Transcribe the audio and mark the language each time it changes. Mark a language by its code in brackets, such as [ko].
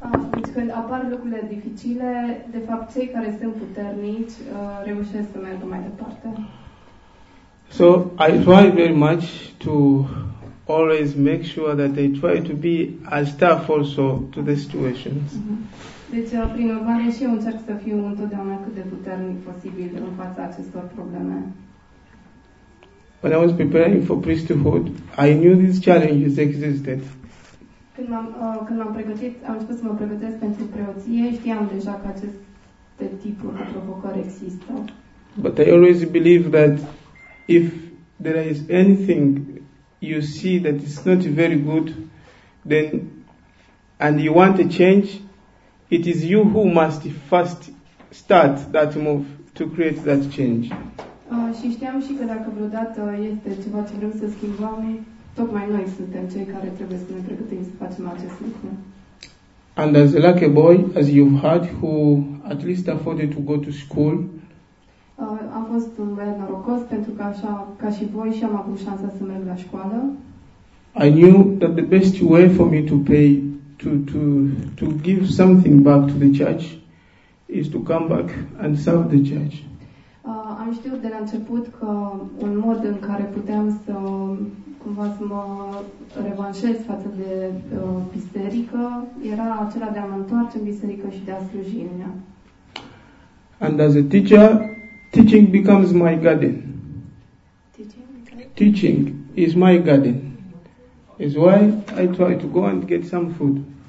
[ro] Deci când apar lucrurile dificile, de fapt cei care sunt puternici reușesc să meargă mai departe. [en] So I try very much to always make sure that I try to be as tough also to the situations. [ro] Deci prin urmare și eu încerc să fiu întotdeauna cât de puternic posibil în fața acestor probleme. [en] When I was preparing for priesthood, I knew these challenges existed. [ro] Când am început să mă pregătesc pentru preoție, știam deja că aceste tipuri de provocări există. [en] But I always believe that if there is anything you see that is not very good, then and you want a change, it is you who must first start that move to create that change. [ro] Și știam și că dacă vreodată este ceva ce vrem să schimbăm, tocmai noi suntem cei care trebuie să ne pregătim să facem acest lucru. [en] And as a lucky boy, as you've heard, who at least afforded to go to school. [ro] Am fost un băiat norocos pentru că așa, ca și voi, și am avut șansa să merg la școală. [en] I knew that the best way for me to pay, to give something back to the church, is to come back and serve the church. [ro] Am știut de la început că un mod în care puteam să cumva să mă revanșez față de biserică era acela de a mă întoarce în biserică și de a sluji în ea. [en] And as a teacher, teaching becomes my garden. Teaching is my garden. Is why I try to go and get some food.